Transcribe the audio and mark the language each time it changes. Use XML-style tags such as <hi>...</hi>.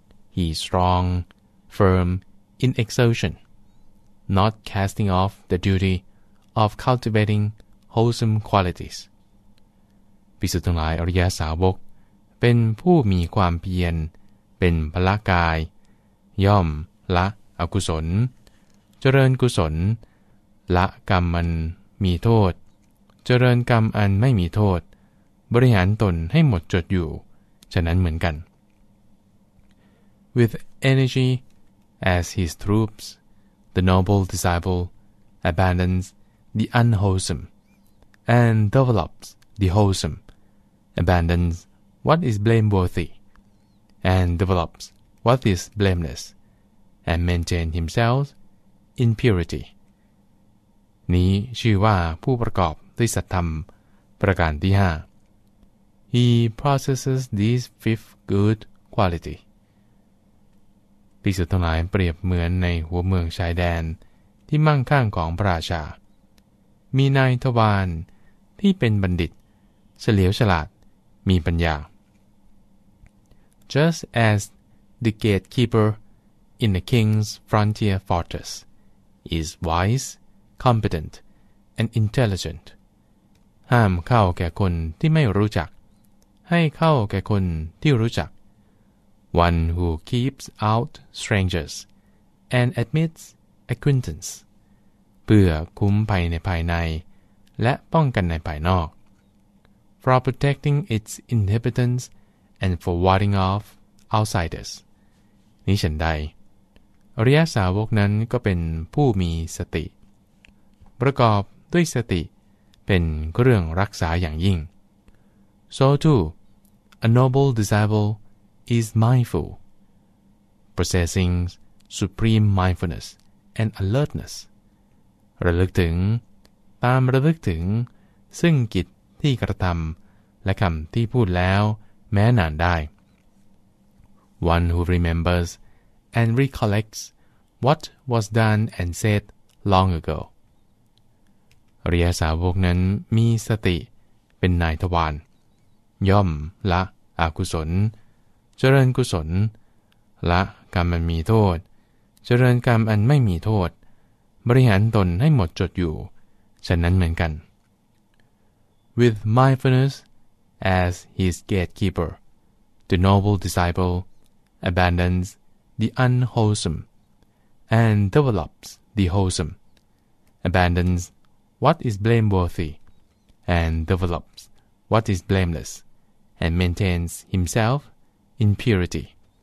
<en>He is strong, firm in exertion, not casting off the duty of cultivating wholesome qualities.</en> <th>ภิกษุทั้งหลายอริยสาวกเป็นผู้มีความเพียรเป็นพละกายย่อมละอกุศลเจริญกุศลละกรรมอันมีโทษเจริญกรรมอันไม่มีโทษบริหารตนให้หมดจดอยู่ฉะนั้นเหมือนกัน</th> <en>With energy as his troops, the noble disciple abandons the unwholesome and develops the wholesome, abandons what is blameworthy and develops what is blameless and maintains himself in purity.</en> <th>นี้ชื่อว่าผู้ประกอบด้วยสัทธรรมประการที่5</th> <en>He possesses this fifth good quality.</en> <th>ภิกษุทั้งหลายเปรียบเหมือนในหัวเมืองชายแดนที่มั่งคั่งของพระราชามีนายทวารที่เป็นบัณฑิตเฉลียวฉลาดมีปัญญา</th> <en>Just as the gatekeeper in the king's frontier fortress is wise, competent, and intelligent.</en> <th>ห้ามเข้าแก่คนที่ไม่รู้จักให้เข้าแก่คนที่รู้จัก</th> <en>One who keeps out strangers and admits acquaintance.</en> <th>เพื่อคุ้มภัยในภายในและป้องกันในภายนอก</th> <en>For protecting its inhabitants and for warding off outsiders.</en> <th>นี้ฉันใดอริยสาวกนั้นก็เป็นผู้มีสติประกอบด้วยสติเป็นเรื่องรักษาอย่างยิ่ง</th> <en>So too, a noble disciple is mindful, possessing supreme mindfulness and alertness.</en> <th>ระลึกถึงตามระลึกถึงซึ่งกิจที่กระทำและคำที่พูดแล้วแม้นานได้</th> <en>One who remembers and recollects what was done and said long ago.</en> <th>อริยสาวกนั้นมีสติเป็นนายทวารย่อมละอกุศลเจริญกุศลละกรรมอันมีโทษเจริญกรรมอันไม่มีโทษบริหารตนให้หมดจดอยู่ฉะนั้นเหมือนกัน</th> <en>With mindfulness as his gatekeeper, the noble disciple abandons the unwholesome and develops the wholesome, abandons what is blameworthy and develops what is blamelessand maintains himself in purity.</en>